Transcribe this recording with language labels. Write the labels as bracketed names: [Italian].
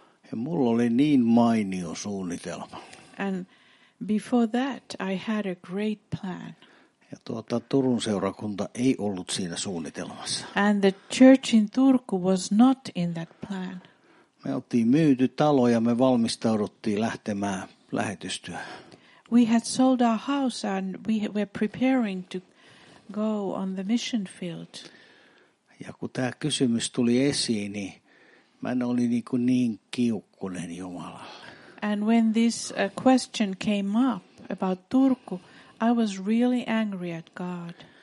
[Finnish] Ja mulla oli niin mainio suunnitelma. [English] And before that I had a great plan. [Finnish] Ja Turun seurakunta ei ollut siinä suunnitelmassa. [English] And the church in Turku was not in that plan. [Finnish] Me oltiin myyty talo ja me valmistauduttiin lähtemään lähetystyöhön. [English] We had sold our house and we were preparing to go on the mission field. [Finnish] Ja kun tämä kysymys tuli esiin, niin mä en ollut niin kiukkunen Jumalalle. [English] And when this question came up about Turku, I was really angry at God.